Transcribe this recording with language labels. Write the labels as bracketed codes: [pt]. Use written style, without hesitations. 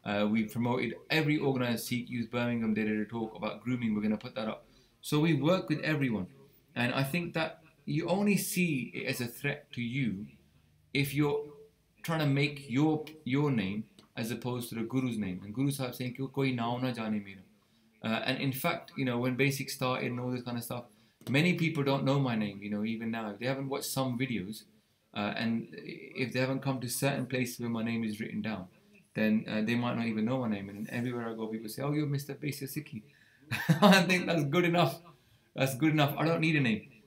[en] We promoted every organized Sikh youth. Birmingham did a talk about grooming. We're going to put that up. So we work with everyone. And I think that you only see it as a threat to you if you're trying to make your name as opposed to the Guru's name. And Guru Sahib saying, [pa] ਕੋਈ ਨਾਮ ਨਾ ਜਾਨੇ ਮੇਰਾ. [en] And in fact, you know, when Basic started and all this kind of stuff, many people don't know my name, you know, even now. They haven't watched some videos. And if they haven't come to certain places where my name is written down, then they might not even know my name. And everywhere I go, people say, oh, you're Mr. Basic Sikhi. I think that's good enough. That's good enough. I don't need a name.